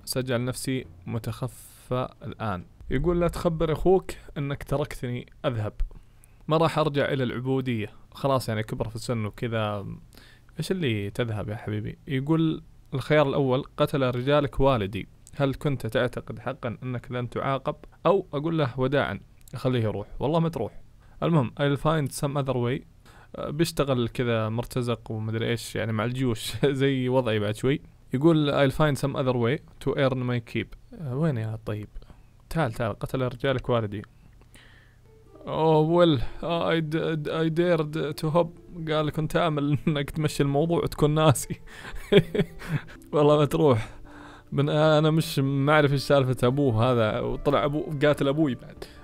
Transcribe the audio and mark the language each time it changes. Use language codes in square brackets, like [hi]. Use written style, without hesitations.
[ar] سجعل نفسي متخفى الآن. يقول لا تخبر أخوك أنك تركتني أذهب، ما راح أرجع إلى العبودية، خلاص يعني كبر في السن وكذا. ايش اللي تذهب يا حبيبي؟ يقول الخيار الاول، قتل رجالك والدي، هل كنت تعتقد حقا انك لن تعاقب؟ او اقول له وداعا اخليه يروح. والله ما تروح. المهم [en] I'll find some other way. [ar] بيشتغل كذا مرتزق ومدري ايش يعني مع الجيوش. زي وضعي بعد شوي. يقول [en] I'll find some other way to earn my keep. [ar] وين يا طيب؟ تعال تعال، قتل رجالك والدي. [en] Oh well, I dared to hope. [ar] قال كنت أعمل أنك تمشي الموضوع وتكون ناسي. والله ما تروح. أنا مش معرف إيش سالفة أبوه هذا، وطلع أبوه قاتل أبوي بعد.